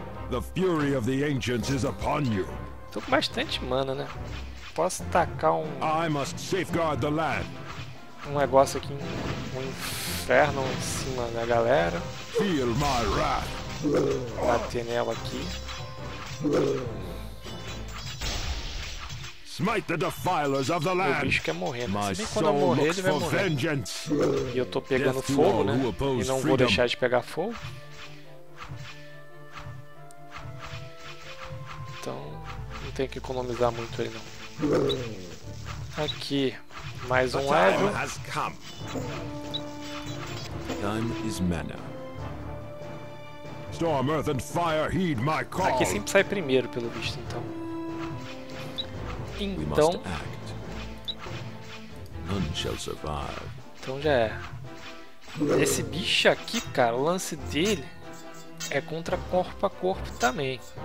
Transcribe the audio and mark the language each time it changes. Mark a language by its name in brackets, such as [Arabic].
[English] The fury of the ancients is upon you. [Portuguese] Tô com bastante mana, né? Posso tacar um. [English] I must safeguard the land. [Portuguese] Um negócio aqui, um inferno em cima da galera. [English] Feel my wrath. [Portuguese] Bater nela aqui. [English] Smite the defilers of the land. [Portuguese] Meu bicho quer morrer, né? Se bem quando eu morrer, ele vai morrer. [English] Vengeance. [Portuguese] E eu tô pegando fogo, né? E não vou freedom. Deixar de pegar fogo. Então, não tem que economizar muito aí, não. Aqui, mais um ego. [English] Time is mana. Storm, earth and fire, heed my call. [Portuguese] Aqui sempre sai primeiro, pelo visto, então. Então, [English] none shall survive. [Portuguese] Então já é. Esse bicho aqui, cara, o lance dele é contra corpo a corpo também.